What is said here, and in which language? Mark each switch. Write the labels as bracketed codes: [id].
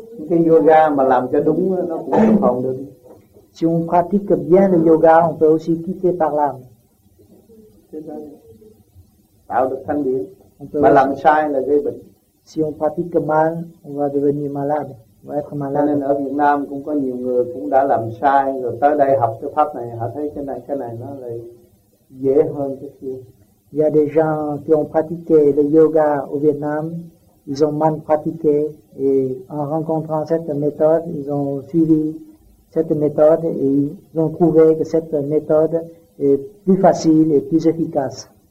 [vi] Cái yoga mà làm cho đúng nó cũng không còn được. [fr] Si on pratique bien le yoga, on peut aussi quitter par l'âme. [vi] Tạo được thanh điển. Mà làm sai là gây bệnh. [fr] Si on pratique mal, on va devenir malade. [vi] Cho nên ở Việt Nam cũng có nhiều người cũng đã làm sai rồi tới đây học cái pháp này, họ thấy cái này nó lại dễ hơn cái kia. [fr] Il y a des gens qui ont pratiqué le yoga au Vietnam, ils ont mal pratiqué et en rencontrant cette méthode, ils ont suivi cette méthode et ils ont trouvé que cette méthode est plus facile et plus efficace.